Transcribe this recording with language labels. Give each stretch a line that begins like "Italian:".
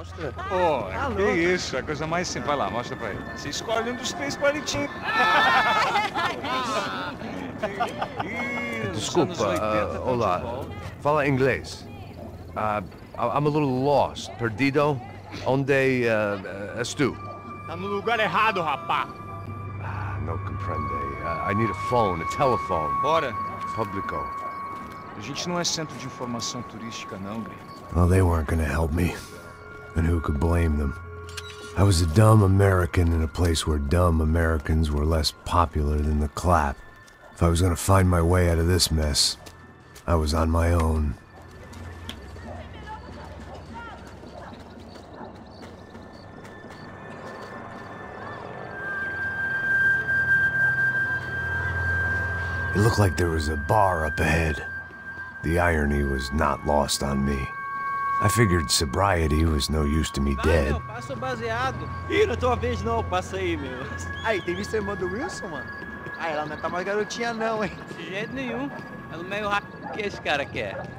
Portuguese: Desculpa, hola. Fala inglês.
English: I'm a little lost.
Portuguese: Perdido? Onde estu? Tá no lugar errado, rapá.
Spanish: No comprende.
English: I need a phone, a telephone.
Portuguese: Bora. Público. A gente não é centro de informação turística, não, gringo.
English: Well, they weren't gonna help me. And who could blame them? I was a dumb American in a place where dumb Americans were less popular than the clap. If I was gonna find my way out of this mess, I was on my own. It looked like there was a bar up ahead. The irony was not lost on me. I figured sobriety was no use to me dead.
Portuguese: Passa baseado. Ih, na tua vez não, passa aí, meu. Aí, tem visto a irmã do Wilson, mano? Ah, ela não tá mais garotinha não, hein? De jeito nenhum. É no meio rápido que esse cara quer.